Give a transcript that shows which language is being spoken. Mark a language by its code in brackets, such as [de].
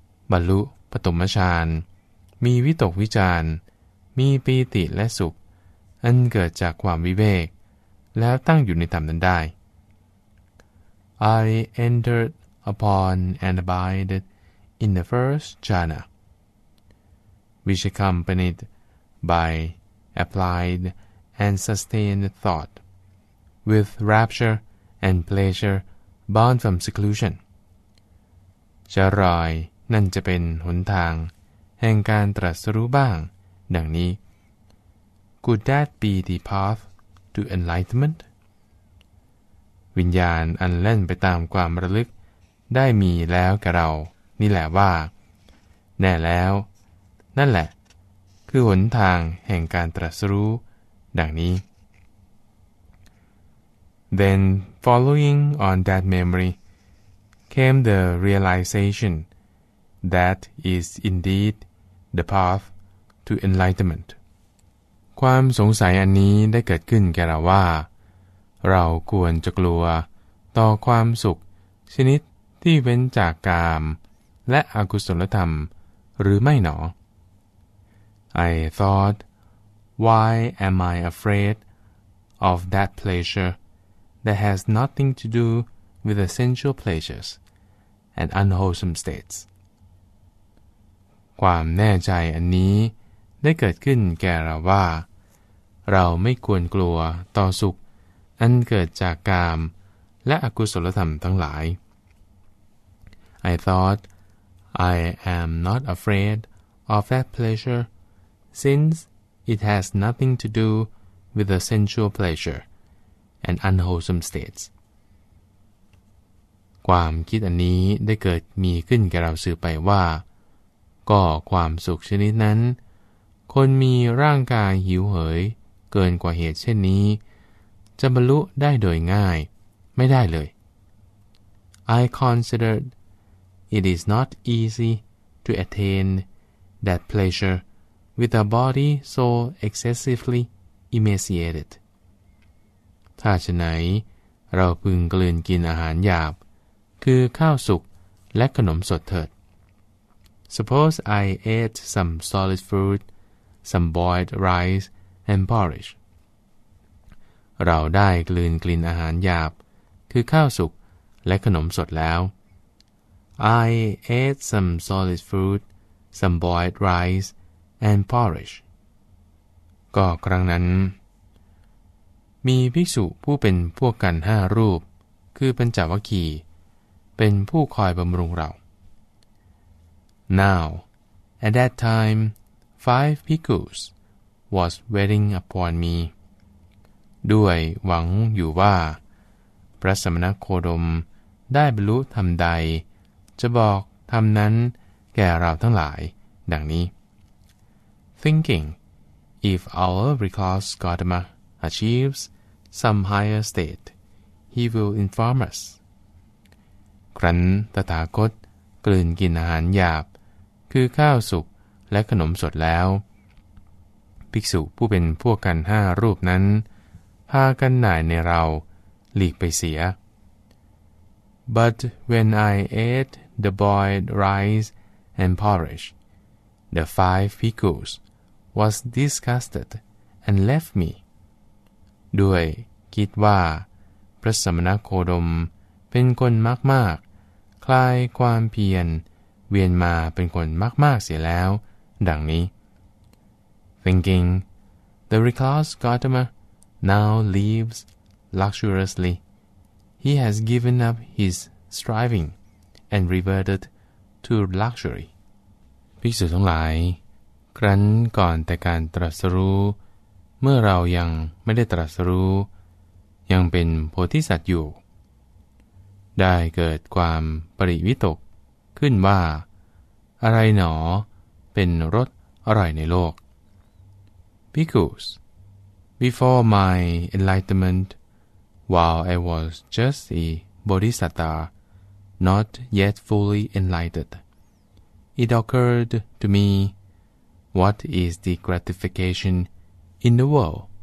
[th] บรรลุปฐมฌานมีวิตกวิจารมีปีติและสุขอันเกิดจากความวิเวกแล้วตั้งอยู่ในธรรมนั้นได้ [en] I entered upon and abided in the first jhana, which accompanied by applied and sustained thought, with rapture and pleasure born from seclusion. [th] จะรอยนั่นจะเป็นหนทางแห่งการตรัสรู้บ้างดังนี้ [en] Could that be the path to enlightenment? [th] วิญญาณอันเล่นไปตามความระลึกได้มีแล้วกับเรานี่แหละว่าแน่แล้วนั่นแหละคือหนทางแห่งการตรัสรู้ดังนี้ [en] Then following on that memory came the realization that is indeed the path to enlightenment. [th] ความสงสัยอันนี้ได้เกิดขึ้นแก่เราว่าเราควรจะกลัวต่อความสุขชนิดที่เว้นจากกามและอกุศลธรรมหรือไม่หน [en] อ I thought, why am I afraid of that pleasure that has nothing to do with the sensual pleasures and unwholesome states? [th] ความแน่ใจอันนี้ได้เกิดขึ้นแก่เราว่าเราไม่ควรกลัวต่อสุขอันเกิดจากกามและอกุศลธรรมทั้งหลาย [en] I thought I am not afraid of that pleasure since it has nothing to do with the sensual pleasure and unwholesome states [th] ความคิดอันนี้ได้เกิดมีขึ้นแก่เราสืบไปว่าก็ความสุขชนิดนั้นคนมีร่างกายหิวเหยเกินกว่าเหตุเช่นนี้จะบรรลุได้โดยง่ายไม่ได้เลย [en] I considered it is not easy to attain that pleasure with a body so excessively emaciated [th] ถ้าฉะนั้นเราพึงกลืนกินอาหารหยาบคือข้าวสุกและขนมสดเถิด [en] Suppose I ate some solid foodsome boiled rice and porridge. [th] เราได้กลืนกลิ่นอาหารหยาบคือข้าวสุกและขนมสดแล้ว [en] I ate some solid food, some boiled rice and porridge. [th] ก็ครั้งนั้นมีภิกษุผู้เป็นพวกกัณฑ์ห้ารูปคือปัญจวัคคีย์เป็นผู้คอยบำรุงเรา [en] Now, at that timeFive bhikkhus was waiting upon me, [th] ด้วยหวังอยู่ว่าพระสมณโคดมได้บรรลุธรรมใดจะบอกธรรมนั้นแก่เราทั้งหลายดังนี้ [en] Thinking, if our recluse Gautama achieves some higher state, he will inform us. [th] ครั้นตถาคตกลืนกินอาหารหยาบคือข้าวสุกและขนมสดแล้วภิกษุผู้เป็นพวกกันห้ารูปนั้นพากันหน่ายในเราหลีกไปเสีย [en] But when I ate the boiled rice and porridge, the five bhikkhus was disgusted and left me. [th] ด้วยคิดว่าพระสมณโคดมเป็นคนมากมากคลายความเพียรเวียนมาเป็นคนมากมากเสียแล้วดังนี้ [en] Thinking, the recluse Gautama now lives luxuriously. He has given up his striving and reverted to luxury. [th] ภิกษุทั้งหลายครั้นก่อนแต่การตรัสรู้เมื่อเรายังไม่ได้ตรัสรู้ยังเป็นโพธิสัตว์อยู่ได้เกิดความปริวิตกขึ้นว่าอะไรหนอเป็นรสอร่อยในโลก [en] Because before my enlightenment, while I was just a bodhisattva, not yet fully enlightened, it occurred to me, what is the gratification in the world?